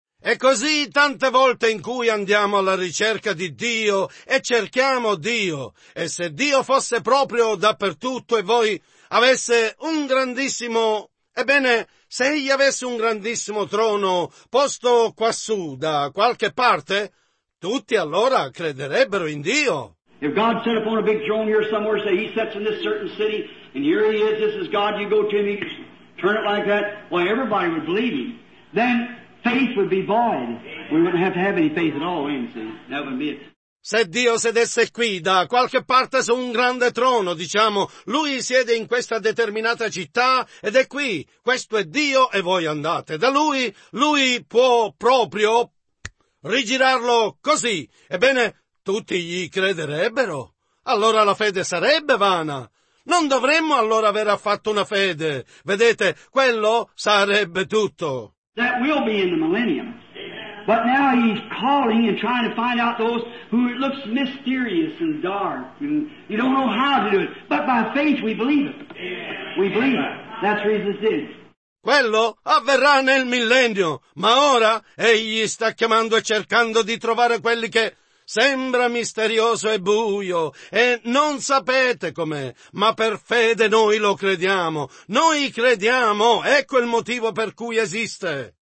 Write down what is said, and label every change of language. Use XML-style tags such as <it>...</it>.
<it>E così tante volte in cui andiamo alla ricerca di Dio e cerchiamo Dio, e se Dio fosse proprio dappertutto e voi avesse un grandissimo, ebbene, se egli avesse un grandissimo trono posto quassù da qualche parte, tutti allora crederebbero in Dio.</it> <en>If God set up on a big throne here somewhere, say he sets in this certain city, and here he is, this is God, you go to him, you turn it like that, why everybody would believe him. Then faith would be void. We wouldn't have to have any faith at all, see. That would be it.</en> <it>Se Dio sedesse qui, da qualche parte su un grande trono, diciamo, lui siede in questa determinata città ed è qui, questo è Dio e voi andate da lui, lui può proprio rigirarlo così. Ebbene, tutti gli crederebbero? Allora la fede sarebbe vana. Non dovremmo allora aver affatto una fede. Vedete, quello sarebbe tutto.</it> <en>That will be in the millennium. But now he's calling and trying to find out those who it looks mysterious and dark. And you don't know how to do it. But by faith we believe it. We believe it. That's the reason it is.</en> <it>Quello avverrà nel millennio. Ma ora egli sta chiamando e cercando di trovare quelli che sembra misterioso e buio, e non sapete com'è, ma per fede noi lo crediamo. Noi crediamo, ecco il motivo per cui esiste.</it>